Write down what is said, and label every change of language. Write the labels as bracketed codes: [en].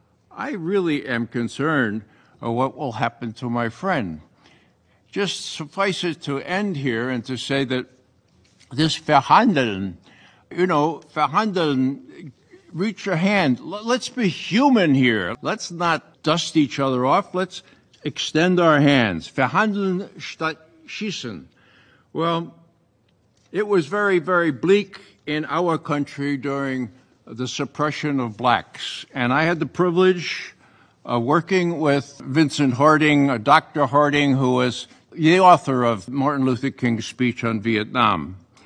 [en] I really am concerned of what will happen to my friend. Just suffice it to end here and to say that this verhandeln, you know, verhandeln, reach your hand. Let's be human here. Let's not dust each other off. Let's extend our hands. [de] Verhandeln statt schießen. [en] Well, it was very, very bleak in our country during the suppression of blacks. And I had the privilege of working with Vincent Harding, Dr. Harding, who was the author of Martin Luther King's speech on Vietnam.